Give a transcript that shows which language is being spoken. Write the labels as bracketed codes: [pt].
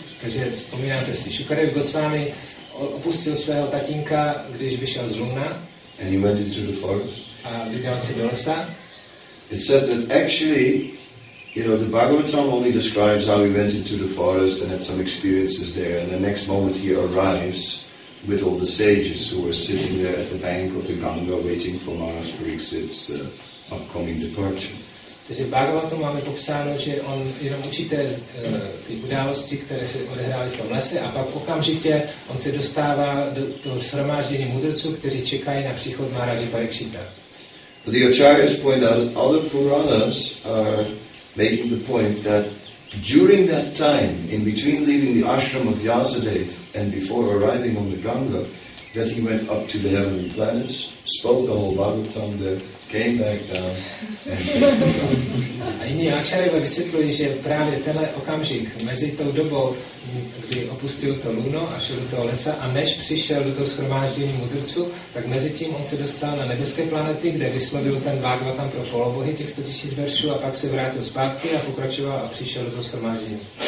[cs] Takže vzpomínáte si, Shukadev Goswami opustil svého tatínka, když vyšel z luna. [en] And he went into the forest. [cs] A vydal se do lesa. [en] It says that actually, you know, the Bhagavatam only describes how he went into the forest and had some experiences there, and the next moment he arrives with all the sages who were sitting there at the bank of the Ganga waiting for Maharaj Pariksit's upcoming departure. [cs] Takže Bhagavatam máme popsáno, že on jenom určité ty události, které se odehrály v tom lese, a pak okamžitě on se dostává do toho shromáždění mudrců, kteří čekají na příchod Maharaje Parikšita. [en] But the Acharyas point out that other Puranas are making the point that during that time, in between leaving the ashram of Vyasadeva and before arriving on the Ganga, that he went up to the heavenly planets, spoke the whole Bhagavatam there, came back down, and [cs] a jiní Acharyové vysvětlují, že právě tenhle okamžik, mezi tou dobou, kdy opustil to luno a šel do toho lesa, a než přišel do toho shromáždění mudrců, tak mezi tím on se dostal na nebeské planety, kde vyslovil ten Bhagavatam pro polobohy, těch 100 000 veršů, a pak se vrátil zpátky a pokračoval a přišel do toho shromáždění.